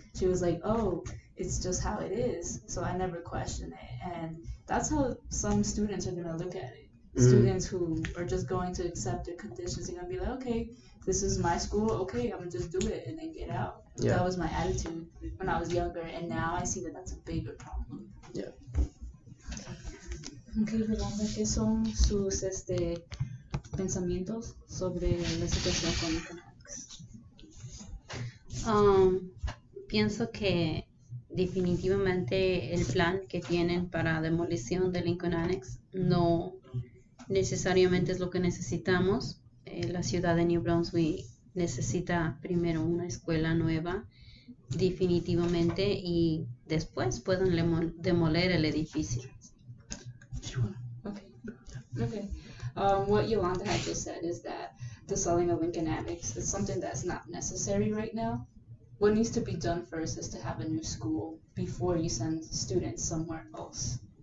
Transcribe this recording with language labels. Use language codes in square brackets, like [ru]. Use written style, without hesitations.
[en] She was like, oh, it's just how it is. So I never questioned it. And that's how some students are going to look at it. students who are just going to accept the conditions and be like, okay, this is my school, okay, I'm gonna just do it and then get out. Yeah. That was my attitude when I was younger, and now I see that that's a bigger problem. Yeah. [es] Okay, Rolanda, ¿qué son sus pensamientos sobre la situación con el cannabis? Pienso que definitivamente el plan que tienen para demolición de Lincoln Annex no necesariamente es lo que necesitamos. La ciudad de New Brunswick necesita primero una escuela nueva, definitivamente, y después pueden demoler el edificio. [en] Okay. What Yolanda had just said is that the selling of Lincoln Annex is something that's not necessary right now. What needs to be done first is to have a new school before you send students somewhere else.